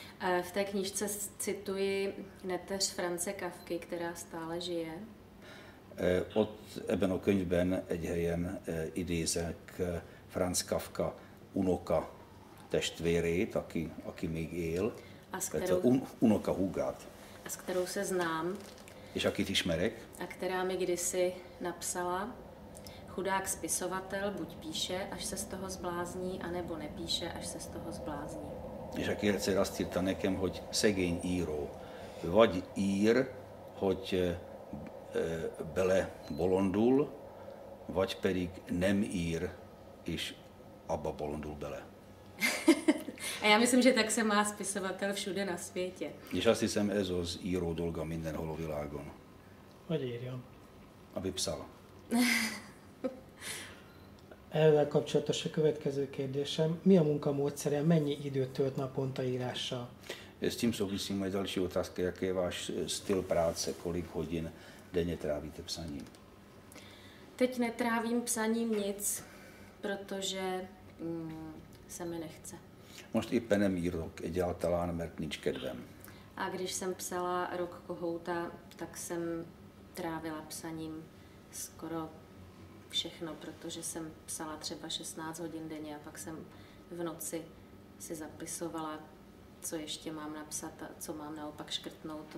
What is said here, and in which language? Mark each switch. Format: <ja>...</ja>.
<cs>V té knižce cituji neteř France Kafky, která stále žije.</cs> <hu>Ott ebben a könyvben egy helyen idézek Franz Kafka unoka testvérét, aki még él, tehát unoka húgát.</hu> <cs>A s kterou se znám.</cs> <hu>És akit ismerek.</hu> <cs>A která mi kdysi napsala, chudák spisovatel buď píše, až se z toho zblázní, anebo nepíše, až se z toho zblázní.</cs> <hu>És aki egyszer azt írta nekem, hogy szegény író, vagy ír, hogy bele bolondul, vagy pedig nem ír, és abba bolondul bele.</hu> <cs>A já myslím, že tak se má spisovatel všude na světě. Když asi jsem</cs> <hu>ezo z írou dolga mindenhol világon. Hogy írjam?</hu> <cs>Aby psal.</cs> <hu>Ezzel kapcsolatos a következő kérdésem. Mi a munka módszere? Mennyi időt tölt naponta írással?</hu> <cs>S tím souvisí moje další otázka, jaký je váš styl práce, kolik hodin denně trávíte psaním? Teď netrávím psaním nic, protože se mi nechce.</cs> <hu>Most éppen nem írok egyáltalán, mert nincs kedvem.</hu> <cs>A když jsem psala Rok kohouta, tak jsem trávila psaním skoro všechno, protože jsem psala třeba 16 hodin denně a pak jsem v noci si zapisovala, co ještě mám napsat a co mám naopak škrtnout.</cs>